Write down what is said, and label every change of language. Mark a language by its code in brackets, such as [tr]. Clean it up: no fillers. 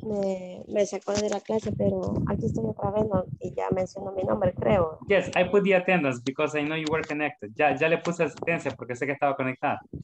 [es] Me sacó de la clase, pero aquí estoy otra vez, ¿no? Y ya mencionó mi nombre, creo. [en] Yes, I put the attendance because I know you were connected. [es] Ya, ya le puse asistencia porque sé que estaba conectada.